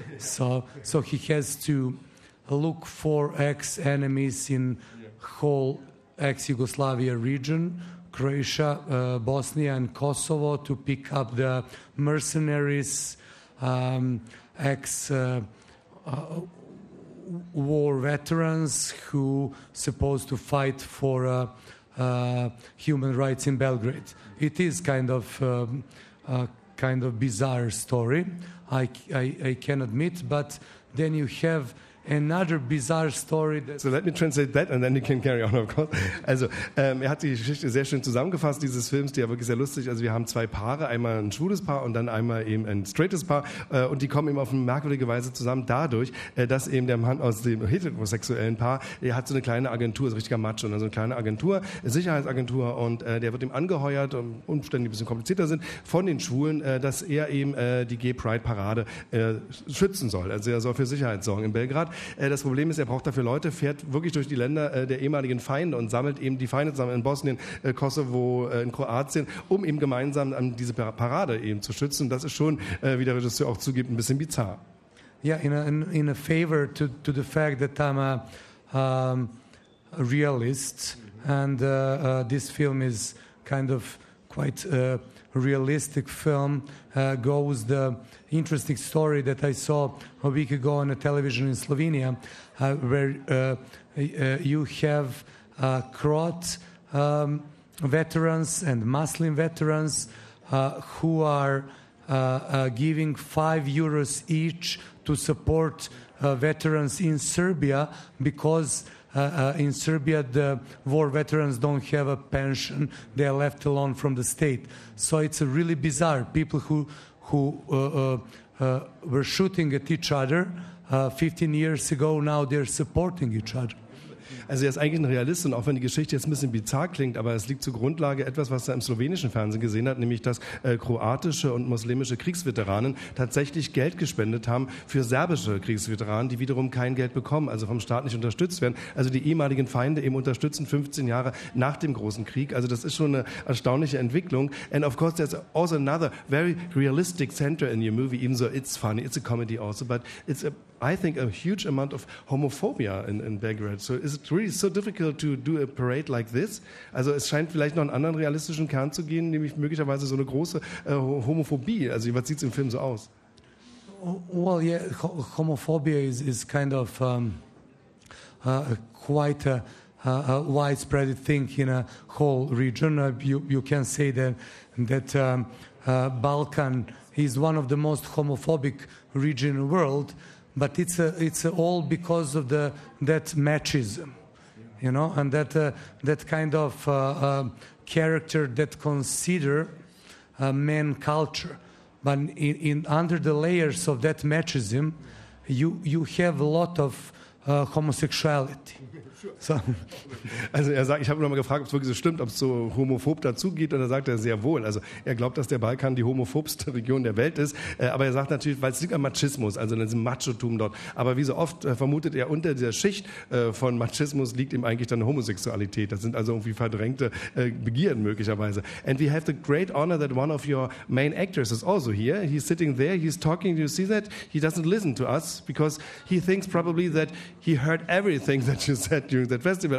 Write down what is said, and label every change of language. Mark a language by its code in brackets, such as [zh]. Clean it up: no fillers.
[en] So he has to look for ex-enemies in whole ex-Yugoslavia region, Croatia, Bosnia and Kosovo, to pick up the mercenaries, ex-war veterans who supposed to fight for human rights in Belgrade. It is kind of bizarre story, I can admit, but then you have another bizarre story. So let me translate that and then you can carry on, of course. [de] Also, er hat die Geschichte sehr schön zusammengefasst, dieses Films, die ja wirklich sehr lustig. Also wir haben zwei Paare, einmal ein schwules Paar und dann einmal eben ein straightes Paar. Und die kommen eben auf eine merkwürdige Weise zusammen, dadurch, dass eben der Mann aus dem heterosexuellen Paar, er hat so eine kleine Agentur, so ein richtiger Macho, also eine kleine Agentur, eine Sicherheitsagentur, und der wird ihm angeheuert, und Umstände, die ein bisschen komplizierter sind, von den Schwulen, dass er eben die Gay Pride Parade schützen soll. Also er soll für Sicherheit sorgen in Belgrad. Das Problem ist, er braucht dafür Leute, fährt wirklich durch die Länder der ehemaligen Feinde und sammelt eben die Feinde zusammen in Bosnien, Kosovo, in Kroatien, um eben gemeinsam an diese Parade eben zu schützen. Das ist schon, wie der Regisseur auch zugibt, ein bisschen bizarr. [en] Yeah, in a favor to the fact that I'm a realist and this film is kind of quite a realistic film, goes the interesting story that I saw a week ago on a television in Slovenia, where you have Croat veterans and Muslim veterans who are giving €5 each to support veterans in Serbia, because in Serbia the war veterans don't have a pension, they are left alone from the state. So it's a really bizarre, people who were shooting at each other 15 years ago, now they're supporting each other. [de] Also er ist eigentlich ein Realist, und auch wenn die Geschichte jetzt ein bisschen bizarr klingt, aber es liegt zur Grundlage etwas, was er im slowenischen Fernsehen gesehen hat, nämlich dass kroatische und muslimische Kriegsveteranen tatsächlich Geld gespendet haben für serbische Kriegsveteranen, die wiederum kein Geld bekommen, also vom Staat nicht unterstützt werden. Also die ehemaligen Feinde eben unterstützen 15 Jahre nach dem großen Krieg. Also das ist schon eine erstaunliche Entwicklung. [en] And of course there's also another very realistic center in your movie, even though it's funny, it's a comedy also, but it's I think a huge amount of homophobia in Belgrade. So is it really so difficult to do a parade like this? [de] Also es scheint vielleicht noch einen anderen realistischen Kern zu gehen, nämlich möglicherweise so eine große Homophobie. Also was sieht es im Film so aus? [en] Well, yeah, homophobia is kind of quite a widespread thing in a whole region. You can say that Balkan is one of the most homophobic region in the world, but it's all because of that machism, you know, and that kind of character that consider man culture. But in under the layers of that machism, you have a lot of homosexuality. So. [de] Also er sagt, ich habe nur mal gefragt, ob es wirklich so stimmt, ob es so homophob dazugeht, und er sagt er sehr wohl. Also er glaubt, dass der Balkan die homophobste Region der Welt ist, aber er sagt natürlich, weil es liegt am Machismus, also an diesem Machotum dort. Aber wie so oft vermutet er, unter dieser Schicht von Machismus liegt ihm eigentlich dann Homosexualität. Das sind also irgendwie verdrängte Begierden möglicherweise. [en] And we have the great honor that one of your main actors is also here. He's sitting there, he's talking, you see that? He doesn't listen to us because he thinks probably that he heard everything that you said during that festival.